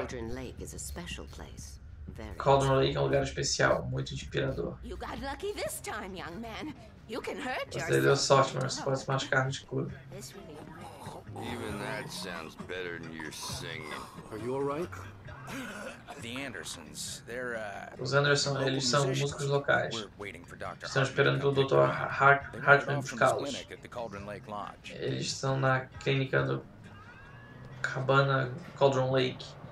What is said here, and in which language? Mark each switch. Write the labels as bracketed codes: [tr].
[en] Cauldron Lake is a special place. [pt] Cauldron Lake é um lugar especial, muito inspirador. [en] You got lucky this time, young man. You can hurt yourself. [pt] Você deu sorte, mas pode se machucar de cura. [en] Even that sounds better than your singing. Are you all right? The Andersons, they're [pt] os Anderson, eles são músicos locais. Estão esperando o Dr. Hartman buscá-los. Eles estão na clínica do cabana Cauldron Lake.